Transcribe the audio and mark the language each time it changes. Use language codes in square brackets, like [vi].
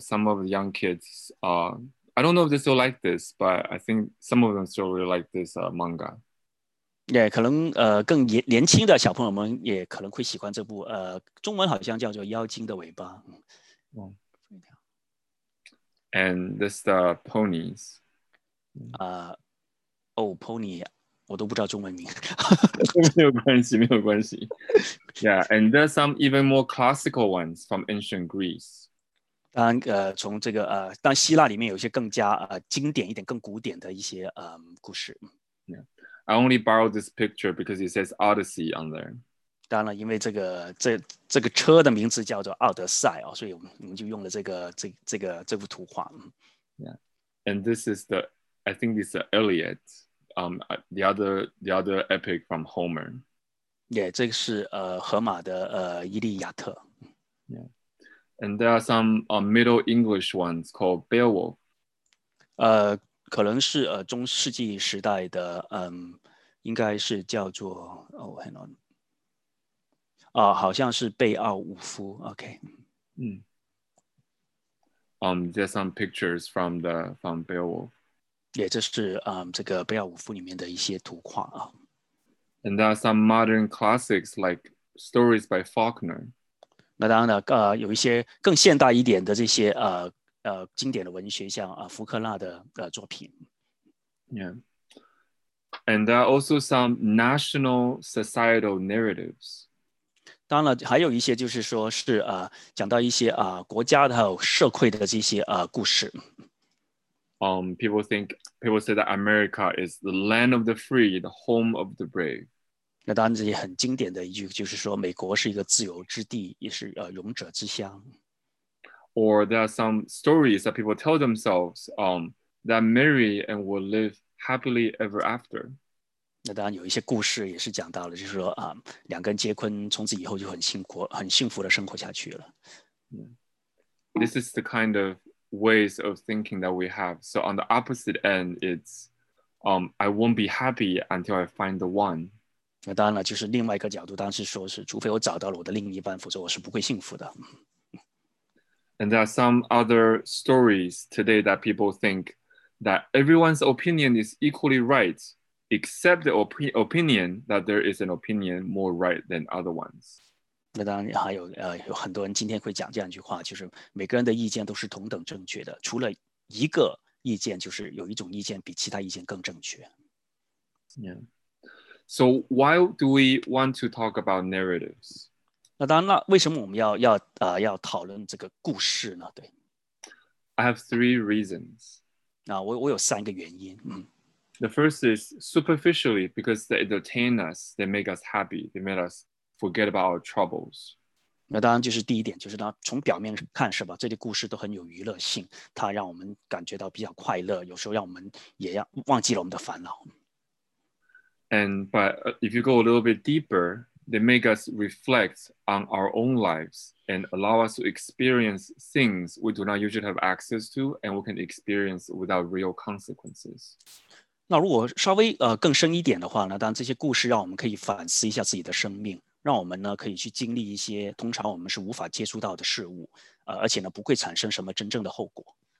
[en] Some of the young kids, I don't know if they still like this, but I think some of them still really like this manga. [zh] Yeah, 可能更年轻的小朋友们也可能会喜欢这部中文好像叫做《妖精的尾巴》。 [en] And this the ponies. [zh] Pony, 我都不知道中文名。没有关系。 [en] Yeah, and there's some even more classical ones from ancient Greece. [zh] 当然，从这个当希腊里面有一些更加经典一点、更古典的一些故事。 Yeah. [en] I only borrowed this picture because it says Odyssey on there. [zh] 当然，因为这个车的名字叫做奥德赛哦，所以我们就用了这幅图画。 [en] Yeah, and this is I think it's the Iliad, the other epic from Homer. [zh] Yeah, 这个是荷马的伊利亚特。 [en] Yeah, and there are some Middle English ones called Beowulf. [zh] 可能是中世纪时代的应该是叫做 [en] hang on. [zh] 好像是贝奥武夫 ,OK. [en] There's some pictures from Beowulf. [zh] 也就是这个贝奥武夫里面的一些图画啊。 [en] And there are some modern classics like stories by Faulkner. [zh] 那当然了有一些更现代一点的这些经典的文学像福克纳的作品。 Yeah. [en] And there are also some national societal narratives. [zh] 当然了还有一些就是说是讲到一些国家的社会的这些故事。 [en] People say that America is the land of the free, the home of the brave. [zh] 那当然这也很经典的一句就是说美国是一个自由之地也是勇者之乡。 [en] Or there are some stories that people tell themselves that marry and will live happily ever after. [zh] 那当然有一些故事也是讲到了，就是说啊，两个人结婚，从此以后就很幸福，很幸福的生活下去了。 [en] This is the kind of ways of thinking that we have. So on the opposite end, it's, I won't be happy until I find the one. [zh] 那当然了，就是另外一个角度，当时说是，除非我找到了我的另一半，否则我是不会幸福的。 [en] And there are some other stories today that people think that everyone's opinion is equally right, except the opinion that there is an opinion more right than other ones. [zh] 那当然还有，有很多人今天会讲这样一句话，就是每个人的意见都是同等正确的，除了一个意见，就是有一种意见比其他意见更正确。 Yeah. [en] So why do we want to talk about narratives? [zh] 那当然了，为什么我们要讨论这个故事呢？对。 [en] I have three reasons. [zh] 我有三个原因。 [en] The first is superficially because they entertain us, they make us happy, they make us forget about our troubles. [zh] 那当然就是第一点，就是从表面看是吧，这些故事都很有娱乐性，它让我们感觉到比较快乐，有时候让我们也要忘记了我们的烦恼。 [en] And but if you go a little bit deeper, they make us reflect on our own lives and allow us to experience things we do not usually have access to and we can experience without real consequences. [zh] 那如果稍微更深一点的话呢，当然这些故事让我们可以反思一下自己的生命，让我们呢可以去经历一些通常我们是无法接触到的事物，而且呢不会产生什么真正的后果。